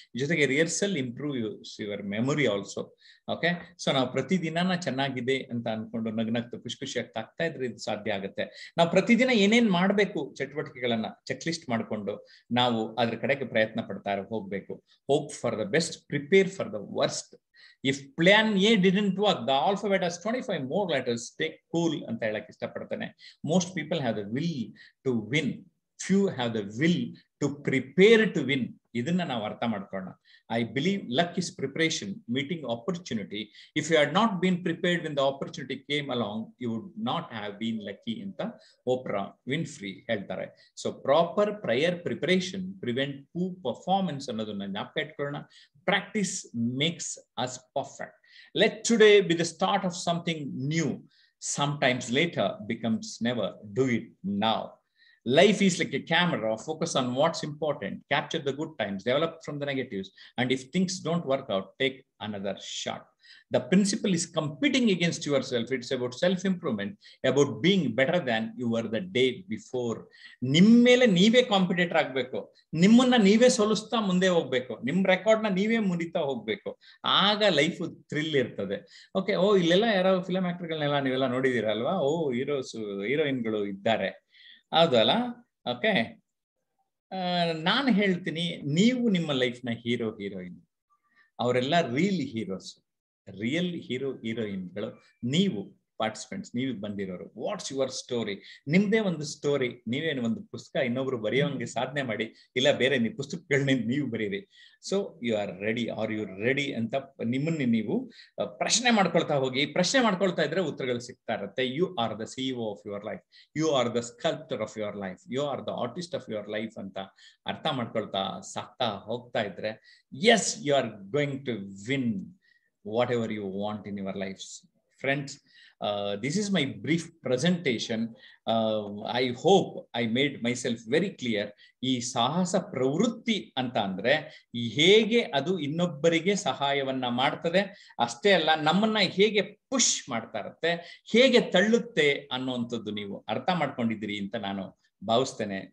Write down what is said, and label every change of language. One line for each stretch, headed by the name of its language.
Kannada: ಜೊತೆಗೆ
English: Rehearsal improve your memory also.
Kannada: Okay, so ನಾವು ಪ್ರತಿದಿನ ಚೆನ್ನಾಗಿದೆ ಅಂತ ಅನ್ಕೊಂಡು ನಗ್ನಗ್ತು ಖುಷಿ ಖುಷಿಯಾಗಿ ತಾಕ್ತಾ ಇದ್ರೆ ಇದು ಸಾಧ್ಯ ಆಗುತ್ತೆ. ನಾವು ಪ್ರತಿದಿನ ಏನೇನು ಮಾಡಬೇಕು ಚಟುವಟಿಕೆಗಳನ್ನ ಚೆಕ್ ಲಿಸ್ಟ್ ಮಾಡಿಕೊಂಡು ನಾವು ಅದ್ರ ಕಡೆಗೆ ಪ್ರಯತ್ನ ಪಡ್ತಾ ಇರೋ ಹೋಗ್ಬೇಕು.
English: Hope for the best, prepare for the worst. If plan A didn't work, the alphabet has 25 more letters. Take cool
Kannada: anta helakke ishta padtane.
English: Most people have the will to win, few have the will to prepare to win.
Kannada: Idanna na artha madkonna.
English: I believe luck is preparation meeting opportunity. If you had not been prepared when the opportunity came along, you would not have been lucky
Kannada: anta Oprah Winfrey heltare.
English: So proper prior preparation prevent poor performance
Kannada: annadunna nyapka ittkolona.
English: Practice makes us perfect. Let today be the start of something new. Sometimes later becomes never. Do it now. Life is like a camera. Focus on what's important. Capture the good times. Develop from the negatives. And if things don't work out, take another shot. The principle is competing against yourself. It's about self-improvement, about being better than you were the day before.
Kannada: ನಿಮ್ಮೇಲೆ ನೀವೇ competitor ಆಗ್ಬೇಕು, ನಿಮ್ಮನ್ನ ನೀವೇ ಸೋಲಿಸ್ತಾ ಮುಂದೆ ಹೋಗ್ಬೇಕು, ನಿಮ್ ರೆಕಾರ್ಡ್ನ ನೀವೇ ಮುರಿತಾ ಹೋಗ್ಬೇಕು, ಆಗ ಲೈಫ್ ಥ್ರಿಲ್ ಇರ್ತದೆ. ಓಕೆ, ಓ ಇಲ್ಲೆಲ್ಲ ಯಾರೋ ಫಿಲಮ್ ಆಕ್ಟರ್ಗಳನ್ನೆಲ್ಲ ನೀವೆಲ್ಲ ನೋಡಿದಿರಲ್ವಾ, ಓ ಹೀರೋಸ್ ಹೀರೋಯಿನ್ಗಳು ಇದ್ದಾರೆ, ಹೌದಲ್ಲ. ಓಕೆ, ನಾನು ಹೇಳ್ತೀನಿ, ನೀವು ನಿಮ್ಮ ಲೈಫ್ನ ಹೀರೋ ಹೀರೋಯಿನ್, ಅವರೆಲ್ಲ ರೀಲ್ ಹೀರೋಸ್, ರಿಯಲ್ ಹೀರೋ ಹೀರೋಯಿನ್ಗಳು ನೀವು ಪಾರ್ಟಿಸಿಪೆಂಟ್ಸ್, ನೀವು ಬಂದಿರೋರು. ವಾಟ್ಸ್ ಯುವರ್ ಸ್ಟೋರಿ, ನಿಮ್ದೇ ಒಂದು ಸ್ಟೋರಿ. ನೀವೇನು ಒಂದು ಪುಸ್ತಕ ಇನ್ನೊಬ್ರು ಬರೆಯೋಂಗೆ ಸಾಧನೆ ಮಾಡಿ, ಇಲ್ಲ ಬೇರೆ ನೀವು ಪುಸ್ತಕಗಳನ್ನ ನೀವು ಬರೀರಿ.
English: so you are ready, are you ready
Kannada: ಅಂತ ನಿಮ್ಮನ್ನ ನೀವು ಪ್ರಶ್ನೆ ಮಾಡ್ಕೊಳ್ತಾ ಹೋಗಿ. ಪ್ರಶ್ನೆ ಮಾಡ್ಕೊಳ್ತಾ ಇದ್ರೆ ಉತ್ತರಗಳು ಸಿಗ್ತಾ ಇರುತ್ತೆ.
English: you are the CEO of your life, you are the sculptor of your life, you are the artist of your life
Kannada: ಅಂತ ಅರ್ಥ ಮಾಡ್ಕೊಳ್ತಾ ಸಾಗ್ತಾ ಹೋಗ್ತಾ ಇದ್ರೆ,
English: Yes, you are going to win whatever you want in your life. Friends, this is my brief presentation. I hope I made myself very clear.
Kannada: ಈ ಸಾಹಸ ಪ್ರವೃತ್ತಿ ಅಂತ ಅಂದ್ರೆ ಹೇಗೆ ಅದು ಇನ್ನೊಬ್ಬರಿಗೆ ಸಹಾಯವನ್ನ ಮಾಡ್ತದೆ, ಅಷ್ಟೇ ಅಲ್ಲ ನಮ್ಮನ್ನ ಹೇಗೆ ಪುಷ್ ಮಾಡ್ತಾ ಇರುತ್ತೆ, ಹೇಗೆ ತಳ್ಳುತ್ತೆ ಅನ್ನುವಂಥದ್ದು ನೀವು ಅರ್ಥ ಮಾಡ್ಕೊಂಡಿದ್ದೀರಿ ಅಂತ ನಾನು ಭಾವಿಸ್ತೇನೆ.